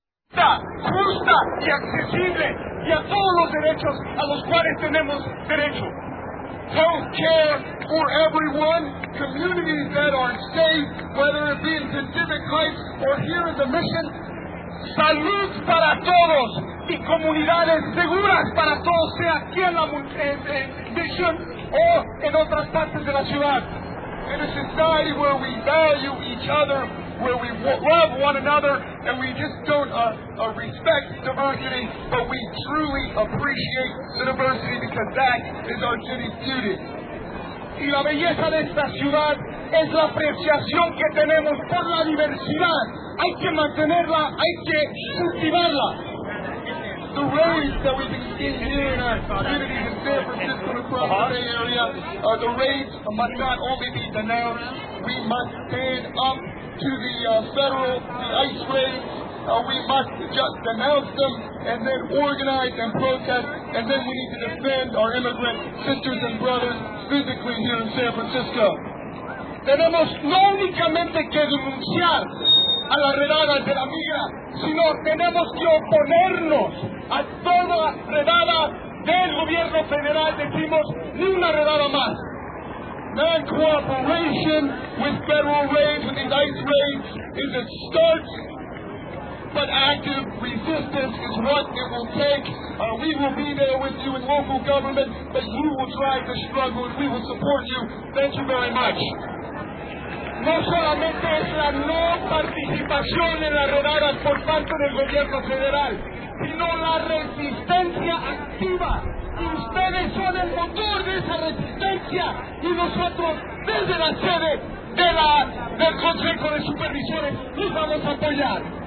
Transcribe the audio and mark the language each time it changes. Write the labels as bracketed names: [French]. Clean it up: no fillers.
[Spanish] justa y accesible y a todos los derechos a los cuales tenemos derecho. [English] Health care for everyone, communities that are safe, whether it be in Pacific Heights or here in the Mission. [Spanish] Salud para todos y comunidades seguras para todos, sea aquí en la Mission o en otras partes de la ciudad. [English] In a society where we value each other, where we love one another, and we just don't respect diversity, but we truly appreciate the diversity because that is our city's beauty. [Spanish] Y la belleza de esta ciudad es la apreciación que tenemos por la diversidad. Hay que mantenerla, hay que cultivarla. [English] The rays that we can see here in our communities in San Francisco and across the Bay Area, the rays must not only be denounced, we must stand up to the federal, the ICE rays. We must just denounce them and then organize and protest, and then we need to defend our immigrant sisters and brothers physically here in San Francisco. [Spanish] Tenemos no únicamente que denunciar a las redadas de la migra, sino tenemos que oponernos a toda redada del gobierno federal. Decimos, ni una redada más. [English] Non-cooperation with federal raids, with these ICE raids, is a start, but active resistance is what it will take. We will be there with you in local government, but you will drive the struggle and we will support you. Thank you very much. [Spanish] No solamente es la no participación en las redadas por parte del gobierno federal, sino la resistencia activa. Y ustedes son el motor de esa resistencia y nosotros, desde la sede del Consejo de Supervisores, los vamos a apoyar.